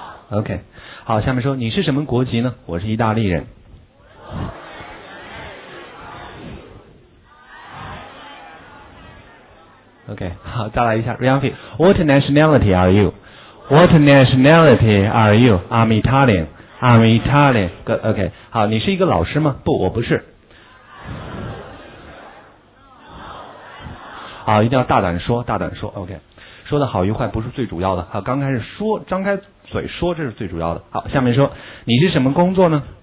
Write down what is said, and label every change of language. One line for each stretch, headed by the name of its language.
Chinese: OK. 好，下面说，你是什么国籍呢？我是意大利人。 OK, 好，再来一下 Rianfi,
English: What nationality are you? What nationality are you? I'm Italian. I'm Italian. Good, OK,
Chinese: 好，你是一个老师吗？不，我不是。好，一定要大胆说，大胆说， OK, 说的好与坏不是最主要的。好，刚开始说，张开嘴说，这是最主要的。好，下面说，你是什么工作呢？